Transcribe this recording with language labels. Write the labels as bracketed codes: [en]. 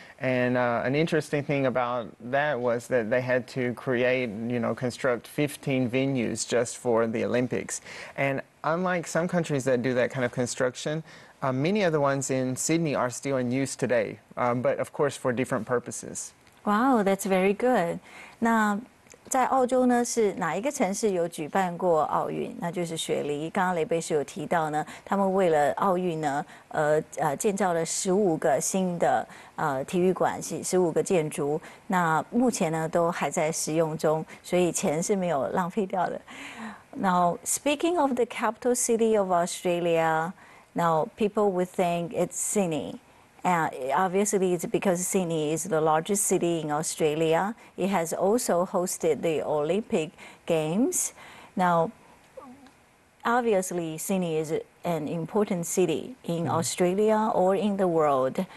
[en] And an interesting thing about that was that they had to create, you know, construct 15 venues just for the Olympics. And unlike some countries that do that kind of construction,many of the ones in Sydney are still in use today, but of course for different purposes. Wow, that's very good. [zh] 那在澳洲呢，是哪一个城市有举办过奥运？那就是雪梨。刚刚雷贝是有提到呢，他们为了奥运呢，建造了15个新的体育馆，15个建筑。那目前呢，都还在使用中，所以钱是没有浪费掉的。 [en] Now, speaking of the capital city of Australia,Now, people would think it's Sydney, Obviously, it's because Sydney is the largest city in Australia. It has also hosted the Olympic Games. Now, obviously, Sydney is an important city in Australia or in the world.